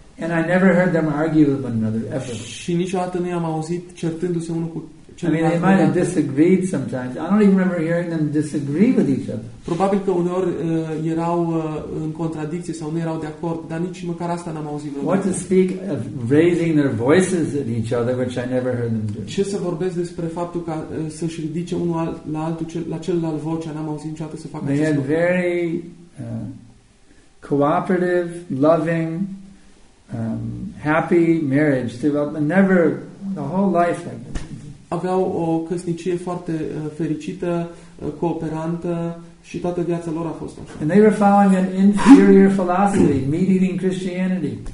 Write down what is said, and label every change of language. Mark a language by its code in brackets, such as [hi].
[en] And I never heard them argue with one another, ever. [ro] Și niciodată nu i-am auzit certându-se unul cu [en] they might have disagreed sometimes. I don't even remember hearing them disagree with each other. [ro] Probabil că uneori erau în contradicție sau nu erau de acord, dar nici măcar asta n-am auzit vreodată. [en] What to speak of raising their voices at each other, which I never heard them do. [ro] Ce să vorbesc despre faptul că să-și ridice unul la altul la celălalt vocea, n-am auzit niciodată să facă acest lucru. [en] Very cooperative, loving, happy marriage. Never the whole life like that. [ro] Aveau o căsnicie foarte fericită, cooperantă și toată viața lor a fost așa. [en] And they were following an inferior philosophy, meat-eating Christianity.